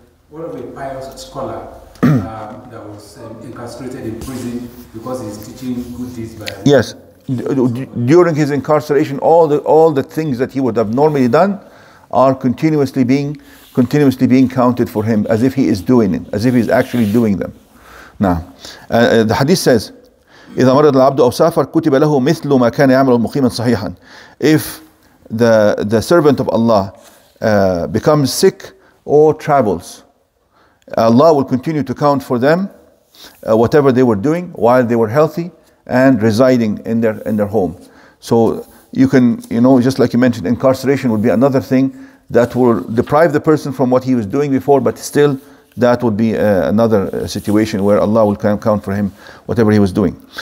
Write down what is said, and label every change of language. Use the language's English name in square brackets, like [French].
[English] what about the pious scholar that was incarcerated in prison because he's teaching good deeds by? Yes. During his incarceration, all the things that he would have normally done are continuously being counted for him as if he is doing it, as if he is actually doing them. Now, the hadith says, [Arabic] إِذَا مَرَدَ الْعَبْدُ أَوْ سَافَرْ كُتِبَ لَهُ مِثْلُ مَا كَانَ يَعْمَلُ مُقِيمًا صَحِيحًا. [English] If the servant of Allah becomes sick or travels, Allah will continue to count for them whatever they were doing while they were healthy and residing in their home. So you can, just like you mentioned, incarceration would be another thing that will deprive the person from what he was doing before, but still that would be another situation where Allah will count for him whatever he was doing.